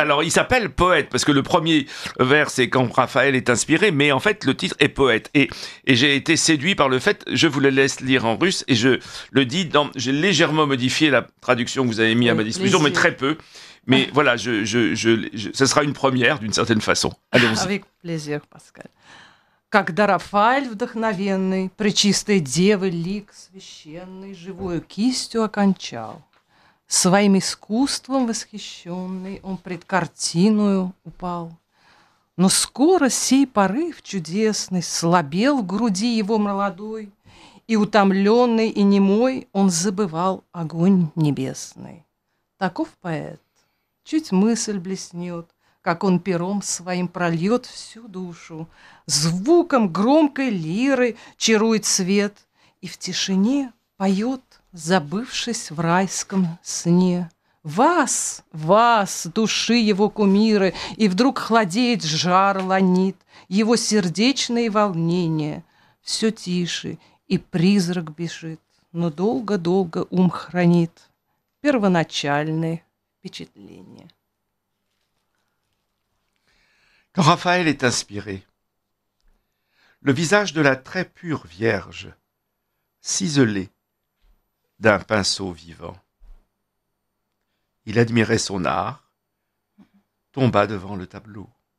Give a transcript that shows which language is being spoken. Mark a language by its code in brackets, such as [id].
[fr] Alors, il s'appelle Poète parce que le premier vers, c'est quand Raphaël est inspiré, mais en fait, le titre est Poète. Et j'ai été séduit par le fait, je vous le laisse lire en russe et je le dis dans, j'ai légèrement modifié la traduction que vous avez mis à ma disposition, mais très peu. Mais voilà, ce sera une première d'une certaine façon. Allons-y. Avec plaisir, Pascal. [ru] Когда Рафаэль вдохновенный, пречистой девы лик священный, живую кистью окончал, своим искусством восхищенный, он пред картиною упал. Но скоро сей порыв чудесный слабел в груди его молодой, и утомленный и немой он забывал огонь небесный. Таков поэт. Чуть мысль блеснет, как он пером своим прольет всю душу. Звуком громкой лиры чарует свет и в тишине поет, забывшись в райском сне. Вас, вас, души его кумиры, и вдруг хладеет жар ланит, его сердечные волнения все тише, и призрак бежит, но долго-долго ум хранит первоначальный. [fr] Quand Raphaël est inspiré, le visage de la très pure Vierge ciselé d'un pinceau vivant. Il admirait son art, tomba devant le tableau.